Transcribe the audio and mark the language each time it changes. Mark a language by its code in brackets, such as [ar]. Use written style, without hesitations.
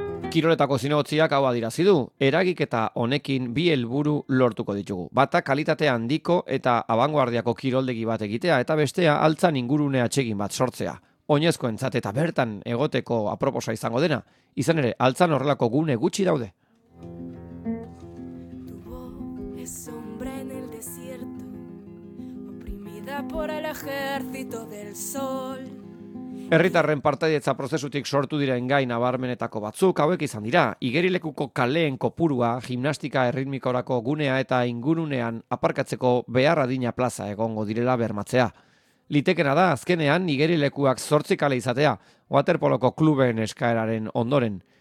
[eu] Kiroletako zinegotziak hau adierazi du, eragiketa honekin bi helburu lortuko ditugu. Bata kalitate handiko eta abanguardiako kiroldegi bat egitea eta bestea altzan ingurune atsegin bat sortzea. Oinezkoentzat eta bertan egoteko aproposa izango dena, izan ere altzan horrelako gune gutxi daude. [es] Tu voz es sombra en el desierto, oprimida por el ejército del sol. [eu] Herritarren partaidetza prozesutik sortu diren gai nabarmenetako batzuk hauek izan dira. Igerilekuko kaleen kopurua, gimnastika erritmikorako gunea eta ingurunean aparkatzeko behar adina plaza egongo direla bermatzea. Litekena da azkenean igerilekuak 8 kale izatea, waterpoloko kluben eskaeraren ondoren.